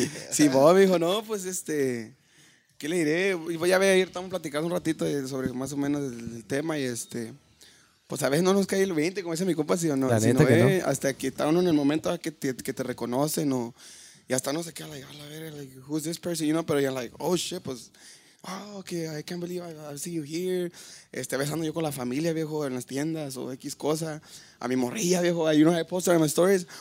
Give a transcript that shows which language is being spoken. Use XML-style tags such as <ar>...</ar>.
<es>Sí, Bob, hijo, no, pues ¿qué le diré? Ya voy a ir, estamos platicando un ratito sobre más o menos el tema y pues a veces no nos cae el 20, como dice mi compa, si no. Hasta que está uno en el momento que te reconocen o. Y hasta no se queda, a ver,</es> <en>who's this person, you know,</en> <es>pero ya, oh shit, pues.</es> <en>Oh, okay, I can't believe I see you here.</en> <es>Besando yo con la familia, viejo, en las tiendas o X cosa. A mi morrilla, viejo,</es> <en>you know, I posted on my stories.</en>